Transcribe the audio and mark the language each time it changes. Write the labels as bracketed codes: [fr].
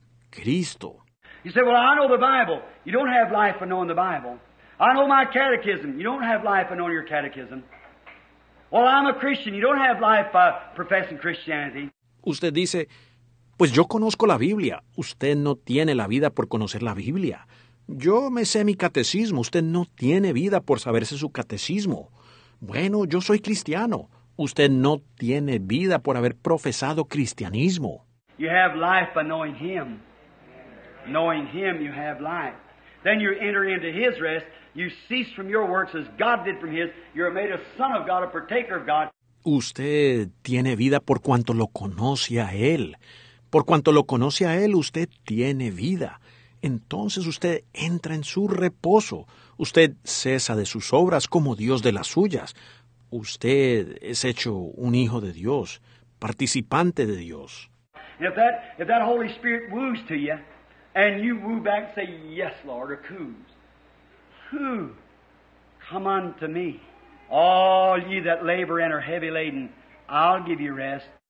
[es] Cristo. [en] You say, well, I know the Bible. You don't have life for knowing the Bible. I know my catechism. You don't have life for knowing your catechism. Well, I'm a Christian. You don't have life for professing Christianity. [es] Usted dice, pues yo conozco la Biblia. Usted no tiene la vida por conocer la Biblia. Yo me sé mi catecismo. Usted no tiene vida por saberse su catecismo. Bueno, yo soy cristiano. Usted no tiene vida por haber profesado cristianismo. [en] You have life by knowing Him. Knowing Him, you have life. Then you enter into His rest. You cease from your works as God did from His. You are made a son of God, a partaker of God. [es] Usted tiene vida por cuanto lo conoce a Él. Por cuanto lo conoce a Él, usted tiene vida. Entonces usted entra en su reposo. Usted cesa de sus obras como Dios de las suyas. Usted es hecho un hijo de Dios, participante de Dios. [en] If that Holy Spirit woos to you, and you woo back and say, yes, Lord, or coos, whoo, come unto me, all ye that labor and are heavy laden, I'll give you rest.